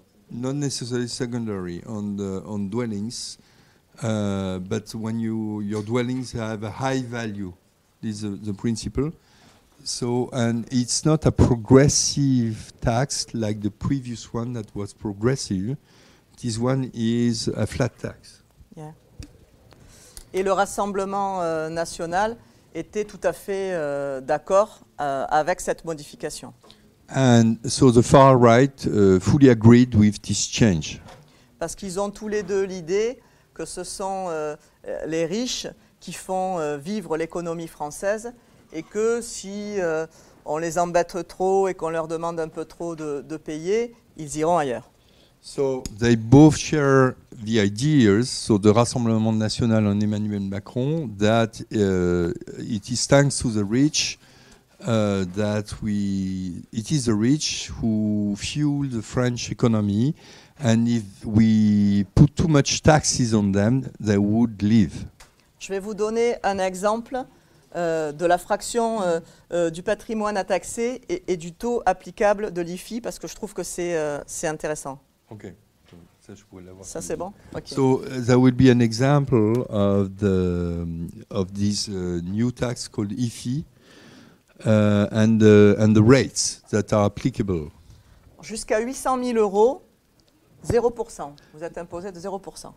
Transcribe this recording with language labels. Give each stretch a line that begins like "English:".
English: not necessarily secondary on dwellings, but when your dwellings have a high value, this is the principle. So, and it's not a progressive tax like the previous one that was progressive. This one is a flat tax. Yeah.
French: Et le Rassemblement national était tout à fait d'accord avec cette modification.
English: And so the far right fully agreed with this change.
French: Parce qu'ils ont tous les deux l'idée que ce sont les riches qui font vivre l'économie française. Et que si on les embête trop et qu'on leur demande un peu trop de payer, ils iront ailleurs.
English: So they both share the ideas, so the Rassemblement National and Emmanuel Macron, that it is thanks to the rich that it is the rich who fuel the French economy, and if we put too much taxes on them, they would leave.
French: Je vais vous donner un exemple. De la fraction du patrimoine à taxer et du taux applicable de l'IFI, parce que je trouve que c'est intéressant. Ok. Ça, je pourrais l'avoir. Ça, c'est bon. Ok.
English: So, there will be an example of the of this new tax called IFI and the rates that are applicable.
French: Jusqu'à 800 000 euros, 0%. Vous êtes imposé de 0%.